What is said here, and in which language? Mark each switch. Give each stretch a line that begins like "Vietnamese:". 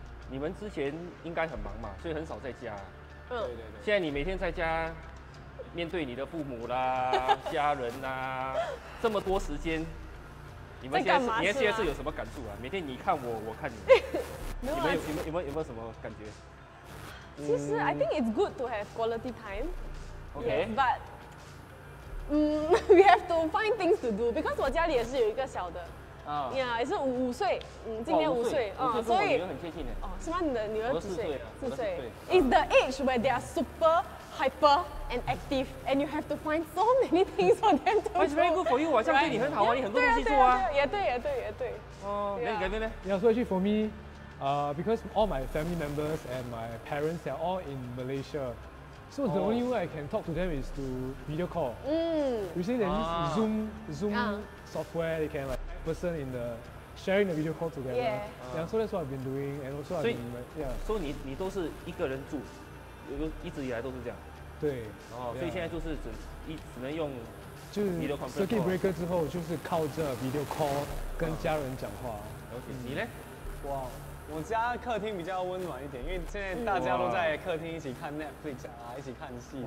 Chinese: 你们之前应该很忙嘛，所以很少在家。对对对。现在你每天在家，面对你的父母啦、家人啦，这么多时间，你们现在 是有什么感触啊？每天你看我看你，你们有没有什么感觉？其实、
English: I think it's good to have quality time. OK. But. We have to find things to do because
Chinese: 我家里也是有一个小的，啊，呀，也是五岁，今年五岁，啊，所以女儿很贴心的，哦，是吗？你的女儿四岁
English: ，It's the age where they are super hyper and active, and you have to find so many things for them to do. It's very good for you.
Chinese: 我这样对你很好啊，你很多东西做啊，也对，也对，也对。哦，那你改变呢？你要说一句
English: for me, because all my family members and my parents are all in Malaysia. So the only way I can talk to them is to video call. You see there is Zoom software, they can like person in the sharing the video call together. Yeah, so that's what I've been doing and also I've been like, yeah.
Chinese: So 你都是一个人住，一直以来都是这样。对。所以现在就是只能用就是 video conference circuit breaker 之后就是靠着 video call 跟家人讲话。你呢？哇。我家客厅比较温暖一点，因为现在大家都在客厅一起看 Netflix 啊，一起看戏，